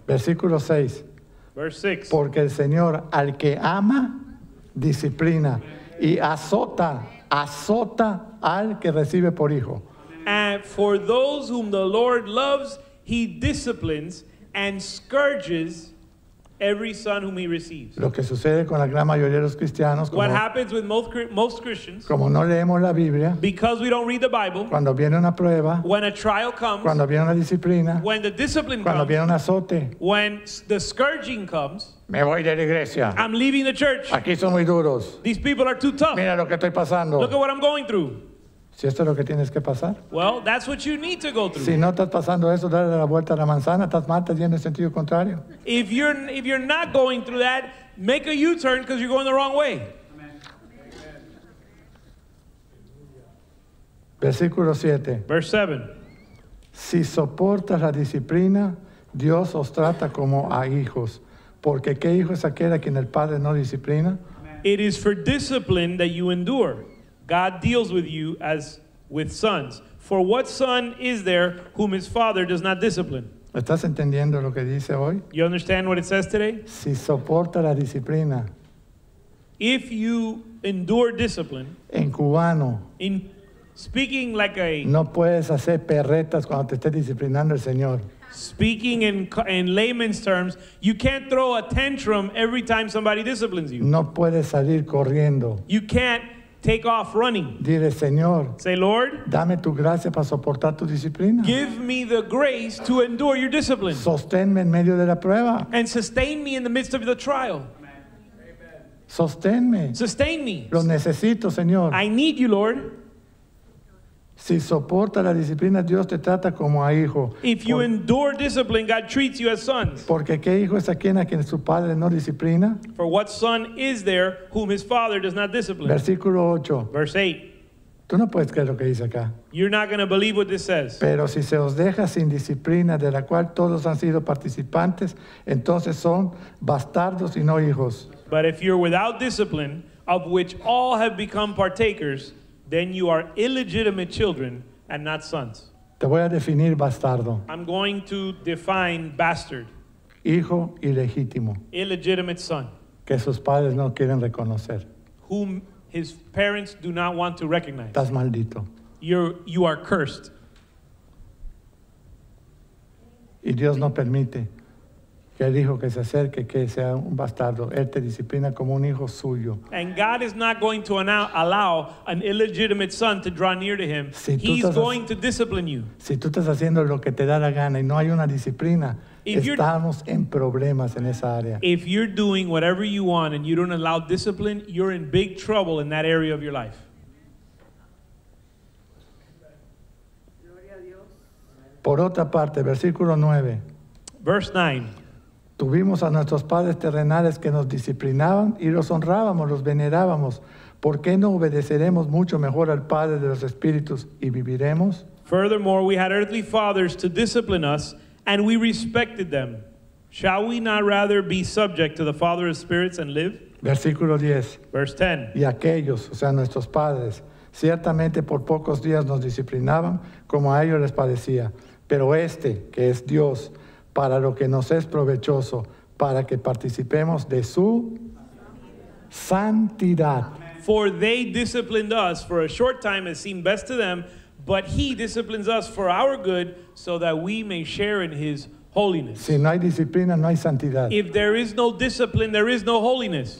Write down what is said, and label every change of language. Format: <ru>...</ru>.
<es>Versículo 6.</es> <en>Verse 6.</en> <es>Porque el Señor al que ama, disciplina, y azota al que recibe por hijo.</es> <en>And for those whom the Lord loves, he disciplines and scourges every son whom he receives.</en> <es>Lo que sucede con la gran mayoría de los cristianos,</es> <en>what happens with most Christians,</en> <es>como no leemos la Biblia,</es> <en>because we don't read the Bible,</en> <es>cuando viene una prueba,</es> <en>when a trial comes,</en> <es>cuando viene una disciplina,</es> <en>when the discipline</en> <es>cuando</es> <en>comes,</en> <es>viene un azote,</es> <en>when the scourging comes,</en> <es>me voy de la iglesia.</es> <en>I'm leaving the church.</en> <es>Aquí son muy duros.</es> <en>These people are too tough.</en> <es>Mira lo que estoy pasando.</es> <en>Look at what I'm going through.</en> <es>Si esto es lo que tienes que pasar.</es> <en>Well, that's what you need to go through.</en> <es>Si no estás pasando eso, dale la vuelta a la manzana, estás mal, estás yendo en sentido contrario.</es> <en>If you're not going through that, make a U-turn because you're going the wrong way.</en> <es>Versículo 7.</es> <en>Verse</en> <es>7. Si soportas la disciplina, Dios os trata como a hijos. Porque ¿qué hijo es aquel a quien el padre no disciplina?</es> <en>It is for discipline that you endure. God deals with you as with sons. For what son is there whom his father does not discipline?</en> <es>¿Estás entendiendo lo que dice hoy?</es> <en>You understand what it says today?</en> <es>Si soporta la disciplina.</es> <en>If you endure discipline.</en> <es>En cubano.</es> <en>In speaking like a.</en> <es>No puedes hacer perretas cuando te esté disciplinando el Señor.</es> <en>Speaking in layman's terms, you can't throw a tantrum every time somebody disciplines you.</en> <es>No puedes salir corriendo.</es> <en>You can't take off running.</en> <es>Dile, Señor,</es> <en>say, Lord,</en> <es>dame tu gracia para soportar tu disciplina.</es> <en>Give me the grace to endure your discipline.</en> <es>Sosténme en medio de la prueba.</es> <en>And sustain me in the midst of the trial.</en> <es>Amen. Sosténme.</es> <en>Sustain me.</en> <es>Lo necesito, Señor.</es> <en>I need you, Lord.</en> <es>Si soporta la disciplina, Dios te trata como a hijo.</es> <en>If you endure discipline, God treats you as sons.</en> <es>Porque ¿qué hijo es aquel a quien su padre no disciplina?</es> <en>For what son is there whom his father does not discipline?</en> <es>Versículo 8.</es> <en>Verse 8.</en> <es>Tú no puedes creer lo que dice acá.</es> <en>You're not going to believe what this says.</en> <es>Pero si se os deja sin disciplina, de la cual todos han sido participantes, entonces son bastardos y no hijos.</es> <en>But if you're without discipline, of which all have become partakers, then you are illegitimate children and not sons.</en> <es>Te voy a definir bastardo.</es> <en>I'm going to define bastard.</en> <es>Hijo ilegítimo.</es> <en>Illegitimate son.</en> <es>Que sus padres no quieren reconocer.</es> <en>Whom his parents do not want to recognize.</en> <es>Estás maldito.</es> <en>You are cursed.</en> <es>Y Dios no permite que el hijo que se acerque, que sea un bastardo. Él te disciplina como un hijo suyo.</es> <en>And God is not going to allow an illegitimate son to draw near to him.</en> <es>Si</es> <en>he's going to discipline you.</en> <es>Si tú estás haciendo lo que te da la gana y no hay una disciplina, estamos en problemas en esa área.</es> <en>If you're doing whatever you want and you don't allow discipline, you're in big trouble in that area of your life.</en> <es>Por otra parte, versículo 9.</es> <en>Verse 9.</en> <es>Tuvimos a nuestros padres terrenales que nos disciplinaban y los honrábamos, los venerábamos. ¿Por qué no obedeceremos mucho mejor al Padre de los Espíritus y viviremos?</es> <en>Furthermore, we had earthly fathers to discipline us, and we respected them. Shall we not rather be subject to the Father of Spirits and live?</en> <es>Versículo 10.</es> <en>Verse 10.</en> <es>Y aquellos, o sea, nuestros padres, ciertamente por pocos días nos disciplinaban como a ellos les parecía. Pero este, que es Dios, para lo que nos es provechoso, para que participemos de su santidad.</es> <en>For they disciplined us for a short time as seemed best to them, but he disciplines us for our good so that we may share in his holiness.</en> <es>Si no hay disciplina, no hay santidad.</es> <en>If there is no discipline, there is no holiness.</en>